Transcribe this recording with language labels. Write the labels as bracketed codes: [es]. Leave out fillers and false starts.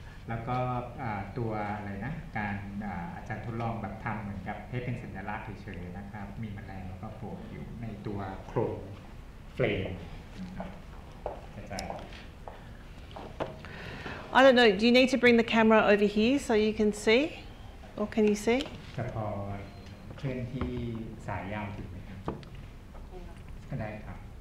[th] แล้วก็ตัวอะไรนะการอาจารย์ทดลองแบบทำเหมือนกับให้เป็นสัญลักษณ์เฉยๆนะครับมีแมลงแล้วก็โผล่อยู่ในตัวโครงเฟรมครับ [en] I don't know. Do you need to bring the camera over here so you can see, or can you see? [th] จะพอเคลื่อนที่สายยาวถึงไหมครับก็ได้ครับ